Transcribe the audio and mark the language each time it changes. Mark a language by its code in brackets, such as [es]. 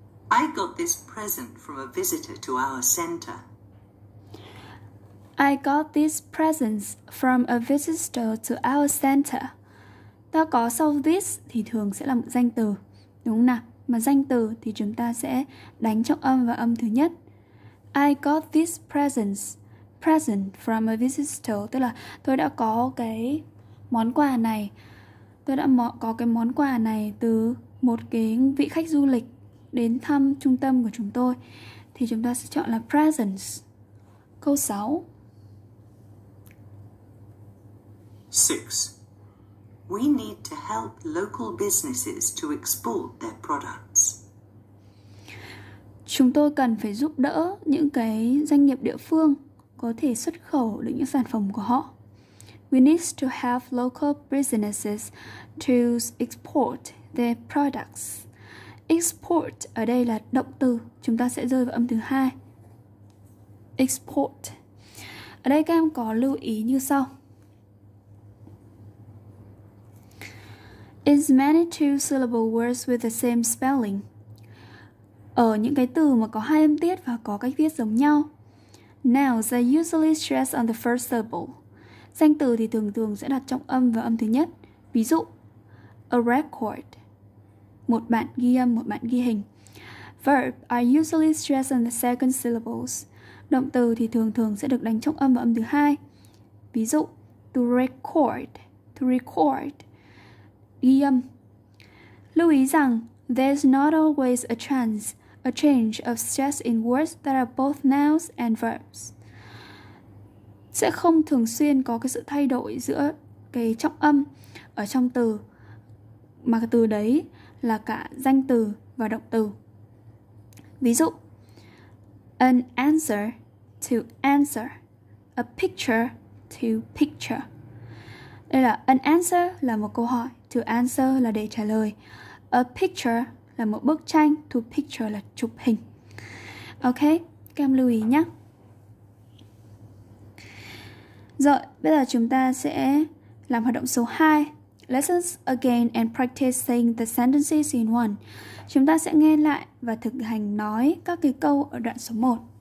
[en] I got this present from a visitor to our center. I got this present from a visitor to our center. [vi] Ta có sau this thì thường sẽ là một danh từ, đúng không nào? Mà danh từ thì chúng ta sẽ đánh trọng âm vào âm thứ nhất. I got this present from a visitor, tức là tôi đã có cái món quà này. Tôi đã có cái món quà này từ một cái vị khách du lịch đến thăm trung tâm của chúng tôi, thì chúng ta sẽ chọn là presence. Câu 6. 6. [en] We need to help local businesses to export their products. [vi] Chúng tôi cần phải giúp đỡ những cái doanh nghiệp địa phương có thể xuất khẩu được những sản phẩm của họ. [en] We need to help local businesses to export their products. [vi] Export ở đây là động từ, chúng ta sẽ rơi vào âm thứ hai. Export. Ở đây các em có lưu ý như sau. [en] It's many two syllable words with the same spelling. [vi] Ở những cái từ mà có hai âm tiết và có cách viết giống nhau. [en] Nouns are usually stressed on the first syllable. [vi] Danh từ thì thường thường sẽ đặt trọng âm vào âm thứ nhất. Ví dụ, a record. Một bản ghi âm, một bản ghi hình. [en] Verb are usually stressed on the second syllables. [vi] Động từ thì thường thường sẽ được đánh trọng âm vào âm thứ hai. Ví dụ, to record. To record. Ghi âm. [en] Lưu ý rằng, there's not always a change of stress in words that are both nouns and verbs. [vi] Sẽ không thường xuyên có cái sự thay đổi giữa cái trọng âm ở trong từ, mà cái từ đấy là cả danh từ và động từ. [en] Ví dụ, an answer to answer, a picture to picture. [vi] Đây là an answer là một câu hỏi, to answer là để trả lời. A picture là một bức tranh, to picture là chụp hình. Ok, các em lưu ý nhé. Rồi, bây giờ chúng ta sẽ làm hoạt động số 2. [en] Lessons again and practice saying the sentences in one. [vi] Chúng ta sẽ nghe lại và thực hành nói các cái câu ở đoạn số 1.